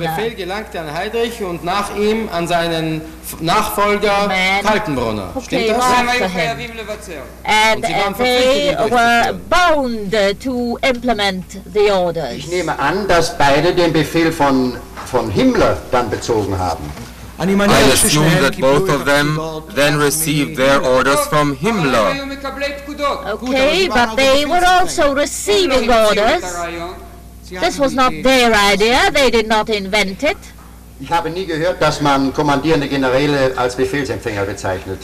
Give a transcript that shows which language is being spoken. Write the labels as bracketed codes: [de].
[de] Der Befehl gelangte an Heydrich und nach ihm an seinen Nachfolger Kaltenbrunner. Stimmt das? [en] And they were bound to implement the orders. [de] Ich nehme an, dass beide den Befehl von Himmler dann bezogen haben. [en] I assume that both of them then received their orders from Himmler. Okay, but they were also receiving orders. This was not their idea, they did not invent it. [de] Ich habe nie gehört, dass man kommandierende Generäle als Befehlsempfänger bezeichnet.